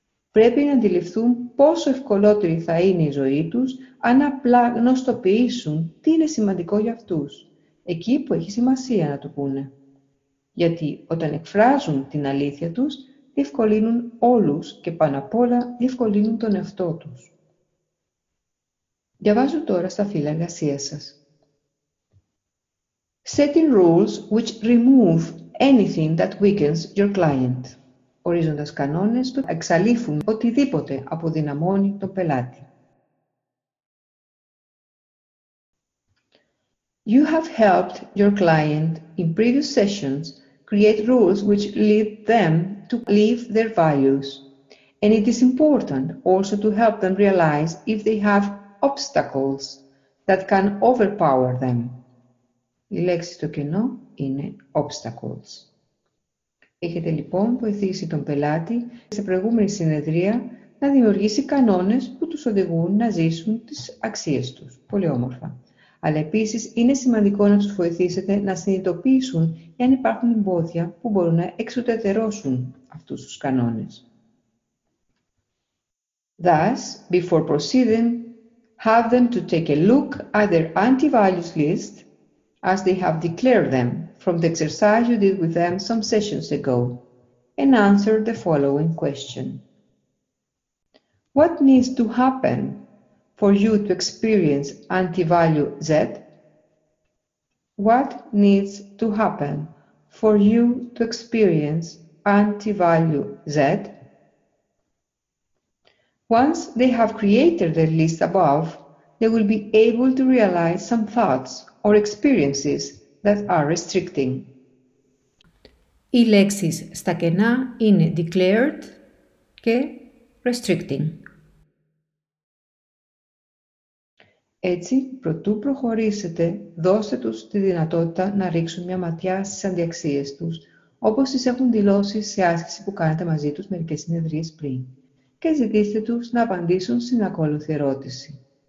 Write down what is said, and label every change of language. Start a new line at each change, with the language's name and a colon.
Greek: Πρέπει να αντιληφθούν πόσο ευκολότερη θα είναι η ζωή τους αν απλά γνωστοποιήσουν τι είναι σημαντικό για αυτούς, εκεί που έχει σημασία να το πούνε. Γιατί όταν εκφράζουν την αλήθεια τους, διευκολύνουν όλους και πάνω απ' όλα διευκολύνουν τον εαυτό τους. Διαβάζω τώρα στα φύλλα εργασίας σας.
English: Setting rules which remove anything that weakens your client.
Greek: ορίζοντας κανόνες του, εξαλείφουν οτιδήποτε αποδυναμώνει τον πελάτη.
English: You have helped your client in previous sessions create rules which lead them to live their values. And it is important also to help them realize if they have obstacles that can overpower them.
Greek: Η λέξη στο κενό είναι obstacles. Έχετε λοιπόν βοηθήσει τον πελάτη σε προηγούμενη συνεδρία να δημιουργήσει κανόνες που τους οδηγούν να ζήσουν τις αξίες τους. Πολύ όμορφα. Αλλά επίσης είναι σημαντικό να τους βοηθήσετε να συνειδητοποιήσουν εάν υπάρχουν εμπόδια που μπορούν να εξουδετερώσουν αυτούς τους κανόνες.
English: Thus, before proceeding, have them to take a look at their anti-values list as they have declared them from the exercise you did with them some sessions ago and answer the following question. What needs to happen for you to experience anti-value Z? What needs to happen for you to experience anti-value Z? Once they have created the list above, they will be able to realize some thoughts or experiences that are restricting.
Greek: Οι λέξεις στα κενά είναι declared και restricting. Έτσι, προτού προχωρήσετε, δώστε τους τη δυνατότητα να ρίξουν μια ματιά στις αντιαξίες τους, όπως τις έχουν δηλώσει σε άσκηση που κάνατε μαζί τους μερικές συνεδρίες πριν, και ζητήστε τους να απαντήσουν στην ακόλουθη ερώτηση.